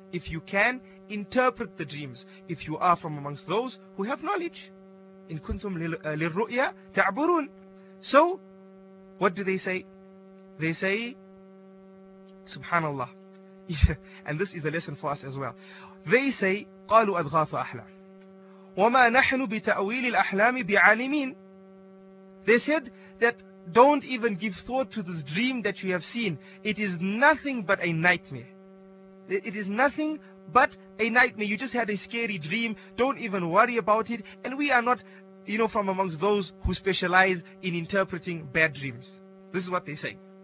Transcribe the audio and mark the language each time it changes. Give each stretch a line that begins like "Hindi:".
English: If you can interpret the dreams, if you are from amongst those who have knowledge. In kuntum lirru'ya ta'burun. So, what do they say? They say, Subhanallah. And this is a lesson for us as well. They say,
Arabic: قَالُوا أَدْغَاثُ أَحْلَامٍ وَمَا نَحْنُ بِتَأْوِيلِ الْأَحْلَامِ بِعَالِمِينَ.
English: They said that don't even give thought to this dream that you have seen. It is nothing but a nightmare. It is nothing but a nightmare. You just had a scary dream. Don't even worry about it. And we are not, you know, from amongst those who specialize in interpreting bad dreams. This is what they say.